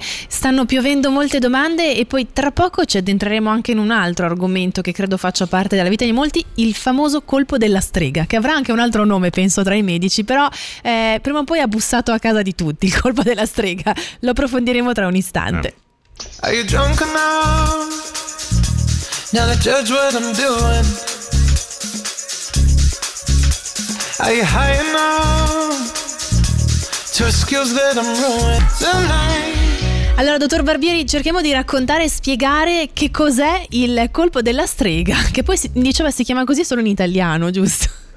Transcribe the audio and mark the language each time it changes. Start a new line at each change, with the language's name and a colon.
Italian: Stanno piovendo molte domande e poi tra poco ci addentreremo anche in un altro argomento che credo faccia parte della vita di molti, il famoso colpo della strega, che avrà anche un altro nome, penso, tra i medici, però prima o poi ha bussato a casa di tutti il colpo della strega. Lo approfondiremo tra un istante.
English: Are you drunk or no? Now I judge what I'm doing. Are you high enough to excuse that I'm ruined tonight?
Italian: Allora, dottor Barbieri, cerchiamo di raccontare e spiegare che cos'è il colpo della strega, che poi si chiama così solo in italiano, giusto?